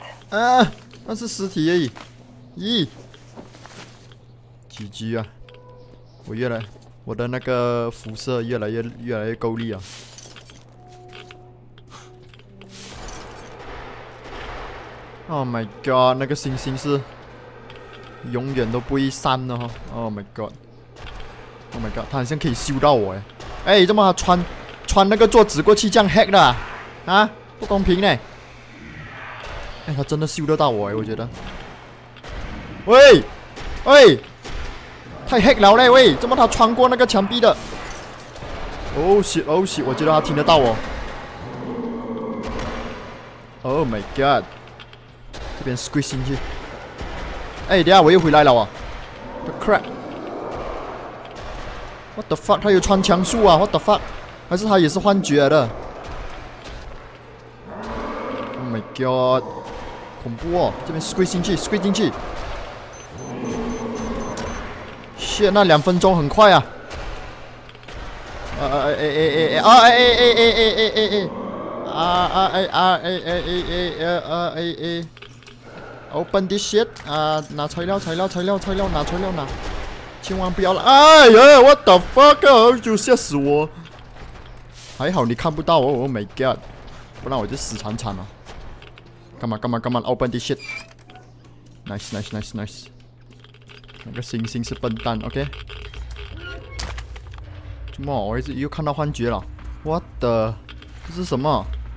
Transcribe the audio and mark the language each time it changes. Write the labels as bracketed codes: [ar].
[zh] 啊。那是尸体而已。咦 GG 啊，我越来我的那个辐射越来越够力啊。 [en] Oh my god， [zh] 那个星星是永远都不会散的哈。 [en] Oh my god， Oh my god， [zh] 他好像可以修到我哎。哎，怎么穿那个坐直过去这样 hack 的 啊？不公平呢。哎，他真的修得到我哎，我觉得。喂，喂，太 hack 了嘞喂，怎么他穿过那个墙壁的 ？ [en] Oh shit， Oh shit， [zh] 我觉得他听得到我。 [en] Oh my god。 [zh] 这边 squeeze 进去，哎，等一下我又回来了啊 ！ [en] The crap， what the fuck， [zh] 他有穿墙术啊 ？ [en] What the fuck， [zh] 还是他也是幻觉的 ？Oh my god， 恐怖哦！这边 squeeze 进去 ，squeeze 进去 ， [en] shit， [zh] 那两分钟很快啊！ [en] Open this shit！ [zh] 啊，拿材料，材料，材料，材料，拿材料拿！千万不要了！哎呀 [en] ，What the fuck！ [zh] 就吓死我！还好你看不到我 ， [en] Oh my god！ [zh] 不然我就死惨惨了。干嘛干嘛干嘛 ！ [en] Open this shit！ Nice nice nice nice！ [zh] 那个星星是笨蛋 [en] ，OK？ [zh] 怎么我又看到幻觉了 ？ [en] What the？ [zh] 这是什么？